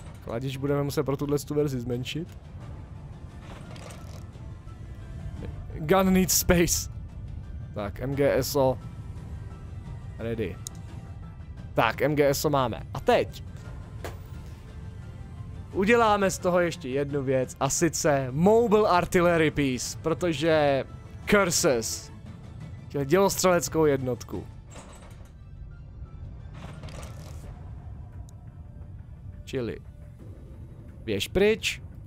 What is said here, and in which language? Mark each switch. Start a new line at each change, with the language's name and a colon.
Czech: A když budeme muset pro tuhle tu verzi zmenšit.
English: Gun needs space. Tak, MGSO. Ready.
Czech: Tak, MGSO máme. A teď. Uděláme z toho ještě jednu věc. A sice
English: mobile artillery piece.
Czech: Protože... Curses. Dělostřeleckou jednotku. Čili... Běž pryč.